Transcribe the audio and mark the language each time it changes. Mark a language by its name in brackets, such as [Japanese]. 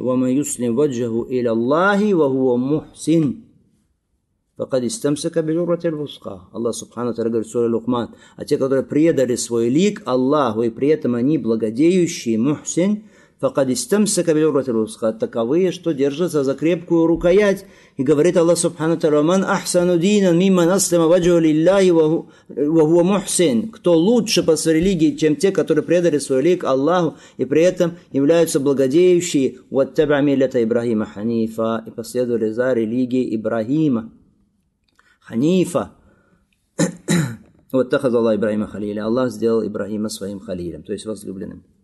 [Arabic] وَمَا يُسْلِمْ وَجْهُ إِلَى اللَّهِ وَهُوَ مُحْسِنٌ فَقَدْ إِسْتَمْسَكَ بِالْعُرْوَةِ الْوُثْقَى. [Russian] Аллах Субхану Тааля говорит в суре Лукман. А те, которые предали свой лик Аллаху, и при этом они благодеющие, мухсин, [Arabic] فَقَدْ إِسْتَمْسَكَ بِالْعُرْوَةِ الْوُثْقَى. [Russian] Таковые, что держатся за крепкую рукоять. И говорит Аллах Субхану Тааля, [Arabic] وَمَنْ أَحْسَنُ دِينًا مِمَّنْ أَسْلَمَ وَجْهُهُ لِلَّهِ وَهُوَ مُحْسِنٌ. [Russian] Кто лучше по своей религии, чем те, которые предали свой лик Аллаху, и при этом являются благодеющие, [Arabic] وَاتَّبَعَ مِلَّةَ إِبْرَاهِيمَ حَنِيفًا, [Russian] и последовали за религией Ибрахима. Ханифа. Вот так Аллах Ибрахима халили. Аллах сделал Ибрахима своим халилем, то есть возлюбленным.